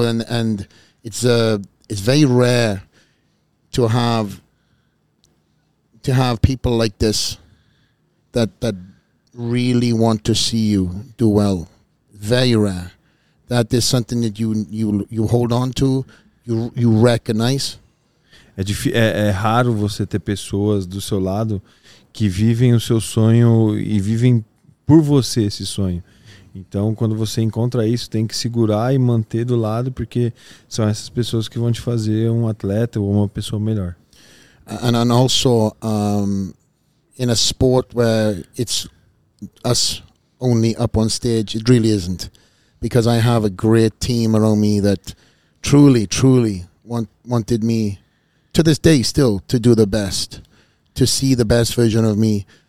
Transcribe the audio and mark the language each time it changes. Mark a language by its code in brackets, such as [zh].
[en] And it's very rare to have people like this that really want to see you do well. Very rare. That is something that you hold on to, you recognize. [pt] É raro você ter pessoas do seu lado que vivem o seu sonho e vivem por você esse sonho. Então, quando você encontra isso, tem que segurar e manter do lado, porque são essas pessoas que vão te fazer um atleta ou uma pessoa melhor. [en] And also, in a sport where it's us only up on stage, it really isn't, because I have a great team around me that truly, truly wanted me, to this day still, to do the best, to see the best version of me.